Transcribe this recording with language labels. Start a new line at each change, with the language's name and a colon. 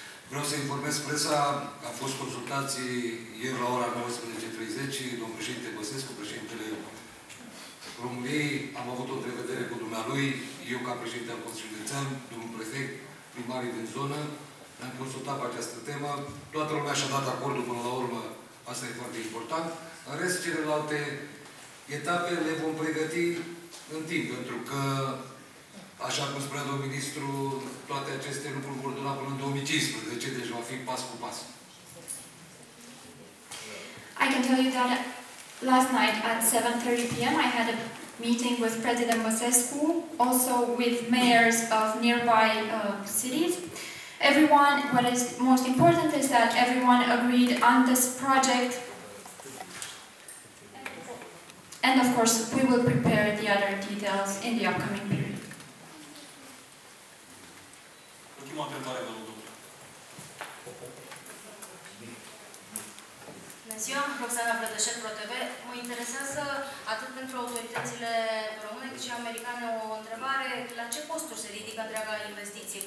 Romanian: Vreau să informez presa, a fost consultații ieri la ora 19:30, domnul președinte Băsescu, președintele României, am avut o întrevedere cu dumnealui, eu ca președinte al Consiliului Județean, domnul prefect, primarii din zonă, ne-am consultat pe această temă, toată lumea și-a dat acordul până la urmă, asta e foarte important. În rest, celelalte etape le vom pregăti în timp, pentru că, așa cum spunea domnul ministru, toate aceste lucruri vor dura până în 2015, deci va fi pas cu pas.
English: I can tell you that last night at 7:30 p.m. I had a meeting with President Băsescu, also with mayors of nearby cities. Everyone, what is most important is that everyone agreed on this project. And of course, we will prepare the other details in the upcoming period.
Romanian: Ultima întrebare, vă rog. Bună ziua, Roxana Brădășel, ProTV. Mă interesează, atât pentru autoritățile române cât și americane, o întrebare. La ce costuri se ridică întreaga investiție?